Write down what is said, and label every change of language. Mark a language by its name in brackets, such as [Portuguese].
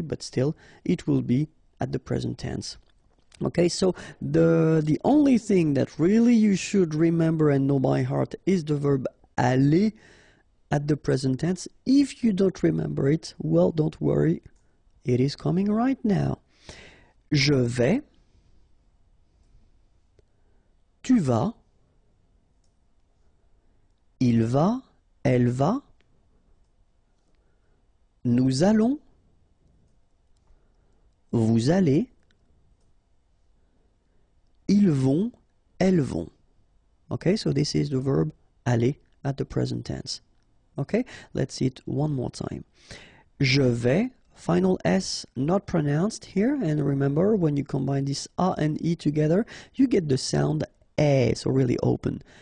[English] But still, it will be at the present tense, okay? So the only thing that really you should remember and know by heart is the verb aller at the present tense. If you don't remember it, well, don't worry. It is coming right now. [French] Je vais, tu vas, il va, elle va, nous allons, vous allez, ils vont, elles vont. [English] Okay, so this is the verb aller at the present tense. Okay, let's see it one more time. [French] Je vais. [English] Final S not pronounced here, and remember, when you combine this A and E together, you get the sound E, so really open.